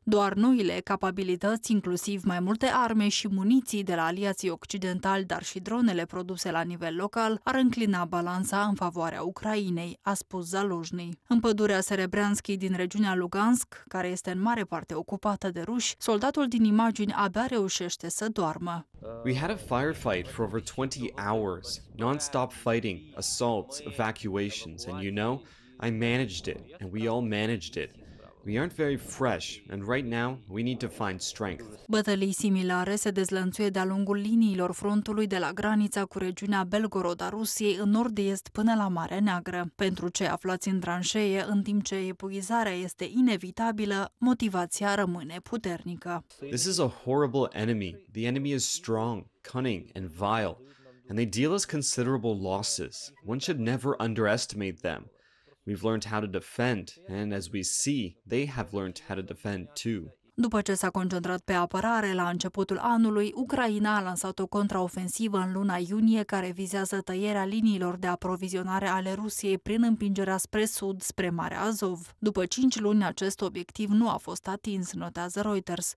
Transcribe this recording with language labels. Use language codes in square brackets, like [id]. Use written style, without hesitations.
[ro] Doar noile capabilități, inclusiv mai multe arme și muniții de la aliații occidentali, dar și dronele produse la nivel local ar înclina balanța în favoarea Ucrainei, a spus Zaluzhny. În pădurea Serebreanski din regiunea Lugansk, care este în mare parte ocupată de ruși, soldatul din imagini abia reușește să doarmă. [en] We had a firefight for over 20 hours, non-stop fighting, assaults, evacuations, and you know, I managed it, and we all managed it. We aren't very fresh and right now we need to find strength. [ro] Bătălii similare se dezlănțuie de-a lungul liniilor frontului de la granița cu regiunea Belgorod a Rusiei în nord-est până la Marea Neagră. Pentru cei aflați în tranșee, în timp ce epuizarea este inevitabilă, motivația rămâne puternică. [en] This is a horrible enemy. The enemy is strong, cunning and vile and they deal us considerable losses. One should never underestimate them. We've learned how to defend and as we see, they have learned how to defend too. [ro] După ce s-a concentrat pe apărare la începutul anului, Ucraina a lansat o contraofensivă în luna iunie care vizează tăierea liniilor de aprovizionare ale Rusiei prin împingerea spre sud, spre Marea Azov. După 5 luni, acest obiectiv nu a fost atins, notează Reuters.